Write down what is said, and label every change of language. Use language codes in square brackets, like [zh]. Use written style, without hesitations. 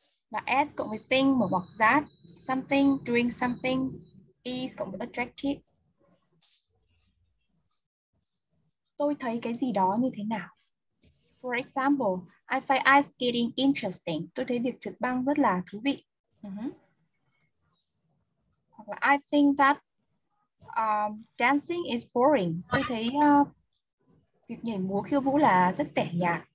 [vi] Và S cộng với thing mở ngoặc that. [en] Something, doing something. [vi] Is cộng với attractive. Tôi thấy cái gì đó như thế nào? [en] For example, I find ice skating interesting. [vi] Tôi thấy việc trượt băng rất là thú vị. Hoặc là [en] I think that dancing is boring. [vi] Tôi thấy việc nhảy múa khiêu vũ là rất tẻ nhạt.